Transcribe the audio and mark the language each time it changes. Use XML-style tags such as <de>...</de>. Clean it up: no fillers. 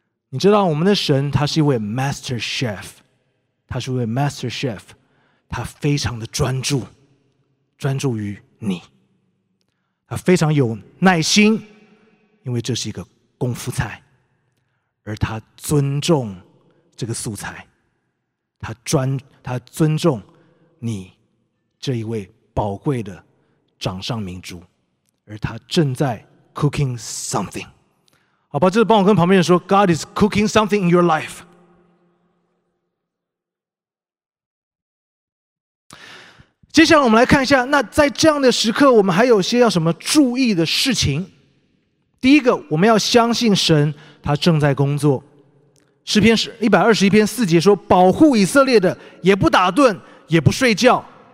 <zh>你知道我们的神他是一位 master chef， 他是一位 master chef， 他非常的专注，专注于你，他非常有耐心，因为这是一个功夫菜，而他尊重这个素材，他尊重你这一位宝贵的掌上明珠，而他正在</zh> <en>cooking something。</en> <zh>好吧，就是帮我跟旁边人说</zh> <en>God is cooking something in your life。</en> <zh>接下来我们来看一下，那在这样的时刻我们还有些要什么注意的事情。第一个，我们要相信神他正在工作。诗篇121篇4节说，保护以色列的也不打盹也不睡觉。</zh>